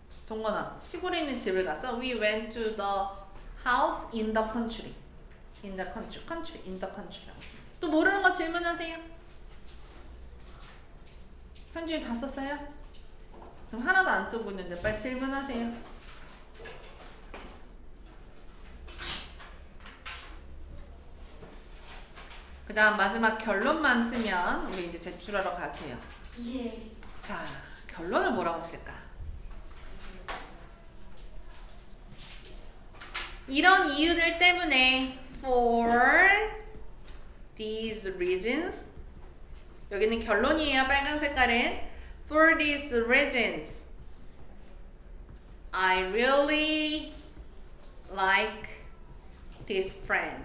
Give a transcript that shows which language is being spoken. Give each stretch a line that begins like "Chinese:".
Korean: 동건아, 시골에 있는 집을 가서
English: We went to the house in the country. In the country, country, in the country.
Korean: 또 모르는 거 질문하세요. 현준이 다 썼어요? 지금 하나도 안 쓰고 있는데 빨리 질문하세요. 그 다음 마지막 결론만 쓰면 우리 이제 제출하러 가게요. 예. 자, 결론을 뭐라고 쓸까? 이런 이유들 때문에
English: for these reasons
Korean: 여기는 결론이에요. 빨간 색깔은
English: for these reasons I really like this friend.